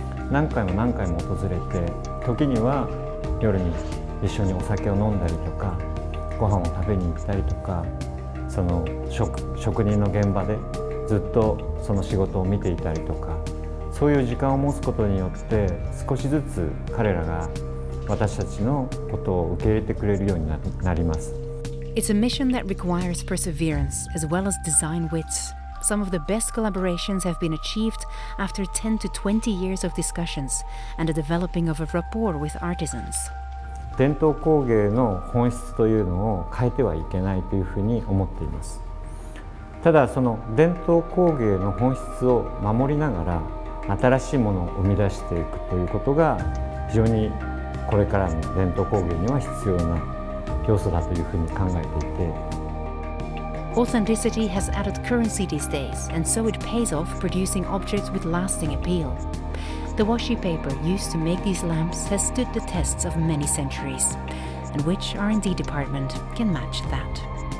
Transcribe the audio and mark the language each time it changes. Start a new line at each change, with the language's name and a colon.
Japanese: 何回も何回も訪れて時には夜に一緒にお酒を飲んだりとかご飯を食べに行ったりとか、その職人の現場でずっとその仕事を見ていたりとか、そういう時間を持つことによって少しずつ彼らが私たちのことを受け入れてくれるようになります。
English: It's a mission that requires perseverance as well as design wits. Some of the best collaborations have been achieved after 10 to 20 years of discussions and the developing of a rapport with artisans.
Japanese: 伝統工芸の本質というのを変えてはいけないというふうに思っています。ただその伝統工芸の本質を守りながら新しいものを生み出していくということが非常にこれからの伝統工芸には必要な要素だというふうに考えていて、
English: Authenticity has added currency these days, and so it pays off producing objects with lasting appeal. The washi paper used to make these lamps has stood the tests of many centuries, and which R&D department can match that?